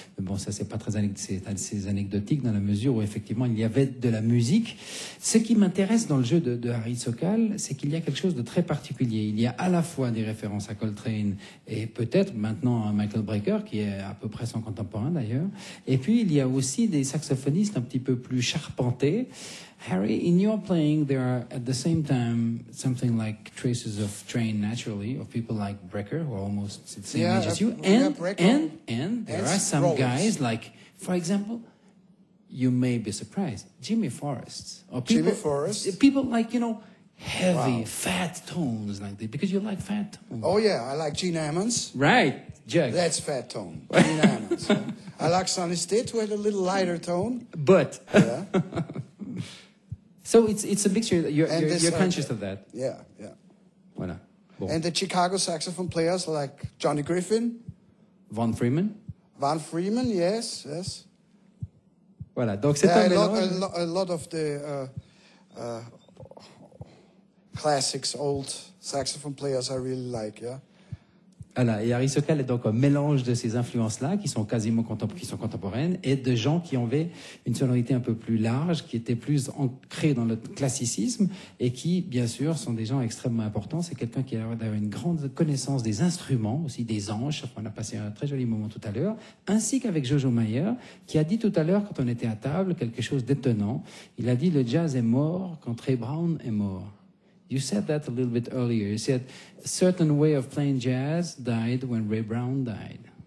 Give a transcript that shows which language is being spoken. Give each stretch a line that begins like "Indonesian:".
French: Mais bon, ça c'est pas très c'est anecdotique dans la mesure où effectivement il y avait de la musique. Ce qui m'intéresse dans le jeu de Harry Sokal, c'est qu'il y a quelque chose de très particulier. Il y a à la fois des références à Coltrane et peut-être maintenant à Michael Brecker, qui est à peu près son contemporain d'ailleurs. Et puis il y a aussi des saxophonistes un petit peu plus charpentés.
English: Harry, in your playing, there are at the same time something like traces of Train naturally, of people like Brecker, who are almost the same age as you. And there are some guys like... For example, you may be surprised, Jimmy Forrest. People like, you know, heavy, fat tones like that, because you like fat tones. Oh, yeah, I like Gene Ammons. Right, Jack. That's fat tone, Gene Ammons. I like Sonny Stitt, who had a little lighter tone. But. Yeah. So it's a mixture, you're conscious of that. Yeah.
French: Voilà. Bon.
English: And the Chicago saxophone players like Johnny Griffin. Von Freeman. Van Freeman, yes.
French: Voilà, donc c'est un mélange.
English: A lot of the classics, old saxophone players I really like, yeah.
French: Voilà, et Harry Sokal est donc un mélange de ces influences-là, qui sont contemporaines, et de gens qui avaient une sonorité un peu plus large, qui étaient plus ancrés dans le classicisme, et qui, bien sûr, sont des gens extrêmement importants. C'est quelqu'un qui a d'avoir une grande connaissance des instruments, aussi des anges. On a passé un très joli moment tout à l'heure. Ainsi qu'avec Jojo Meyer, qui a dit tout à l'heure, quand on était à table, quelque chose d'étonnant. Il a dit « Le jazz est mort quand Trey Brown est mort ».
English: You said that a little bit earlier. You said a certain way of playing jazz died when Ray Brown died.